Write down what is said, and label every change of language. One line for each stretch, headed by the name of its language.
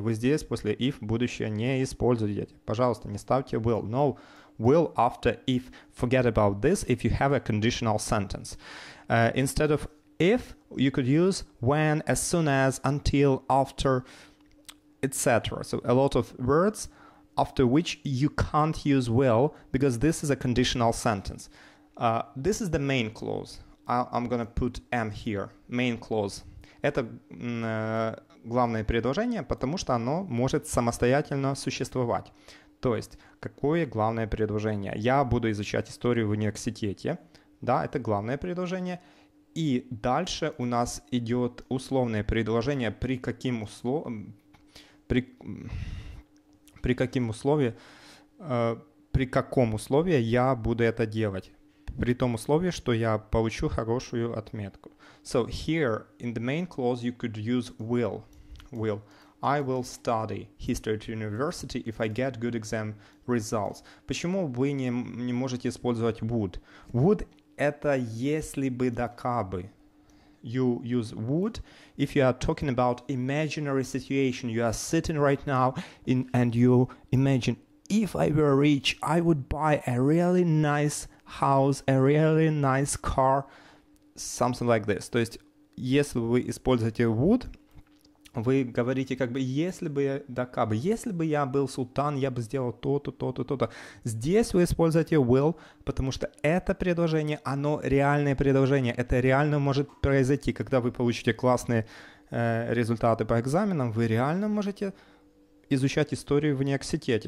Russian: Вы здесь после if будущее не используете. Пожалуйста, не ставьте will.
English: No, will after if. Forget about this if you have a conditional sentence. Instead of if, you could use when, as soon as, until, after, etc. So a lot of words after which you can't use will because this is a conditional sentence. This is the main clause. I'm gonna put M here. Main clause.
Russian: Это главное предложение, потому что оно может самостоятельно существовать. То есть, какое главное предложение? Я буду изучать историю в университете. Да, это главное предложение. И дальше у нас идет условное предложение, при каком условии я буду это делать. При том условии, что я получу хорошую отметку.
English: So here in the main clause you could use will. Will. I will study history at university if I get good exam results.
Russian: Почему вы не можете использовать would? Would — это если бы, да кабы.
English: You use would if you are talking about imaginary situation. You are sitting right now and you imagine, if I were rich, I would buy a really nice house, a really nice car, something like this.
Russian: То есть, если вы используете would, вы говорите как бы, если бы, да кабы. Если бы я был султан, я бы сделал то-то, то-то, то-то. Здесь вы используете will, потому что это предложение, оно реальное предложение. Это реально может произойти. Когда вы получите классные результаты по экзаменам, вы реально можете изучать историю в университете.